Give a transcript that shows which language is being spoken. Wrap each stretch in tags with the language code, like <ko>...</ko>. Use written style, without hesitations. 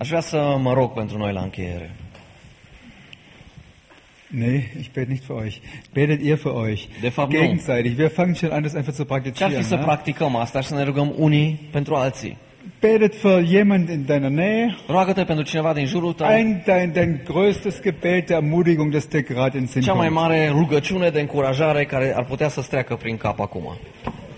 <ro>Aș vrea să mă rog pentru noi la încheiere.</ro> <de>Nee, ich bete nicht für euch. Betet ihr für euch.</de> <ro>De fapt,</ro> <de>gegenseitig. Wir fangen schon an, das einfach zu praktizieren.</de> <ro>Ce-ar fi să practicăm asta, să ne rugăm unii pentru alții.</ro> <de>Betet für jemand in deiner Nähe.</de> <ro>Roagă-te pentru cineva din jurul tău.</ro> <de>Dein größtes Gebet der Ermutigung, das dir gerade in Sinn kommt.</de> <ro>Cea mai mare rugăciune de încurajare care ar putea să-ți treacă prin cap acum.</ro>